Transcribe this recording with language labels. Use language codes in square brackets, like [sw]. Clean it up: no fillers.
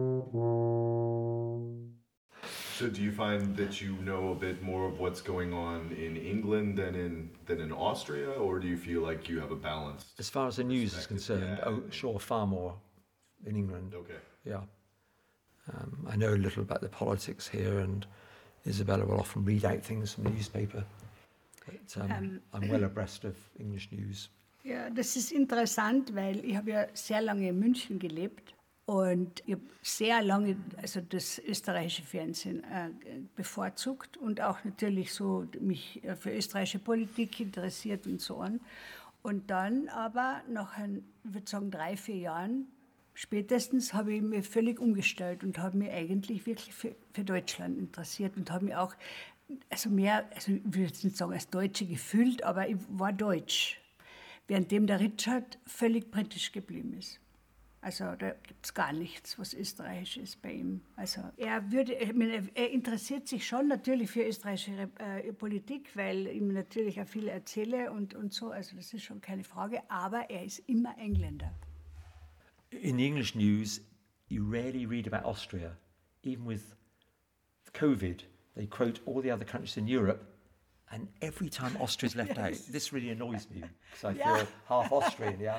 [en] So do you find that you know a bit more of what's going on in England than in Austria, or do you feel like you have a balance? As far as the news is concerned, sure, far more in England. Okay. Yeah. I know a little about the politics here, and Isabella will often read out things from the newspaper. But I'm well abreast of English news. [de] Ja, das ist interessant, weil ich habe ja sehr lange in München gelebt und ich habe sehr lange also das österreichische Fernsehen bevorzugt und auch natürlich so mich für österreichische Politik interessiert und so an. Und dann aber nach, ein, ich würde sagen, 3, 4 Jahren spätestens habe ich mich völlig umgestellt und habe mich eigentlich wirklich für Deutschland interessiert und habe mich auch, also mehr, also ich würde jetzt nicht sagen als Deutsche gefühlt, aber ich war deutsch. Währenddem der Richard völlig britisch geblieben ist. Also da gibt es gar nichts, was österreichisch ist bei ihm. Also er interessiert sich schon natürlich für österreichische Politik, weil ihm natürlich auch viel erzähle und so. Also das ist schon keine Frage, aber er ist immer Engländer. [en] In the English news, you rarely read about Austria. Even with COVID, they quote all the other countries in Europe. And every time Austria is left out, this really annoys me, because I feel half Austrian,